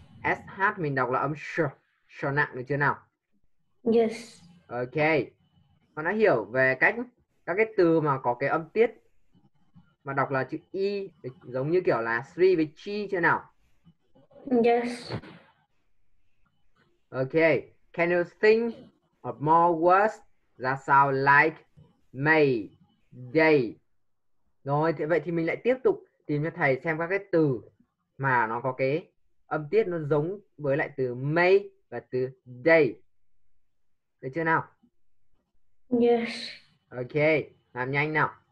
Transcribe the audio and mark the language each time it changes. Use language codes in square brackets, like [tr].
[vi] SH mình đọc là âm sh, sh nặng được chưa nào? [en] Yes. Ok. [vi] Con đã hiểu về cách các cái từ mà có cái âm tiết mà đọc là chữ y giống như kiểu là sri với chi chưa nào? [en] Yes. Ok. Can you think of more words that sound like may, day? [vi] Rồi, thì vậy thì mình lại tiếp tục tìm cho thầy xem các cái từ mà nó có cái âm tiết nó giống với lại từ may và từ day. Được chưa nào? [en] Yes. [vi] Ok, làm nhanh nào.